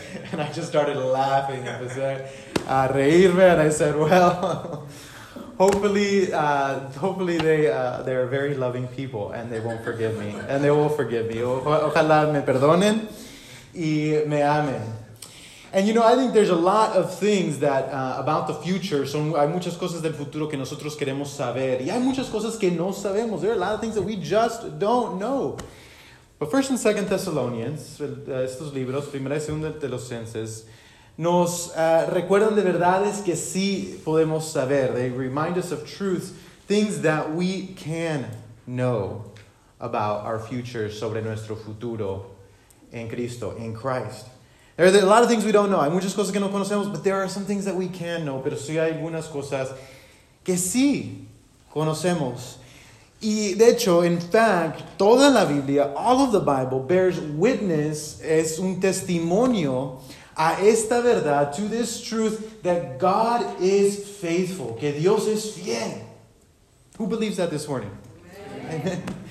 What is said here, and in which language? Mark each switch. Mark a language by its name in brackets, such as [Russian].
[English] And I just started laughing. I said, [Spanish] reírme, [English] and I said, well, hopefully they're very loving people, and they won't forgive me. And they will forgive me. [Spanish] Ojalá me perdonen y me amen. [English] And, you know, I think there's a lot of things that about the future. [Spanish] Son, hay muchas cosas del futuro que nosotros queremos saber. Y hay muchas cosas que no sabemos. [English] There are a lot of things that we just don't know. [Spanish] But First and Second Thessalonians, estos libros, Primera y Segunda de los Censes, nos recuerdan de verdades que sí podemos saber. [English] They remind us of truths, things that we can know about our future, [Spanish] sobre nuestro futuro en Cristo, [English] in Christ. There are a lot of things we don't know. [Spanish] Hay muchas cosas que no conocemos, [English] but there are some things that we can know. [Spanish] Pero sí hay algunas cosas que sí conocemos. Y de hecho, [English] in fact, [Spanish] toda la Biblia, [English] all of the Bible, bears witness, [Spanish] es un testimonio a esta verdad, [English] to this truth that God is faithful, [Spanish] que Dios es fiel. [English] Who believes that this morning? Amen.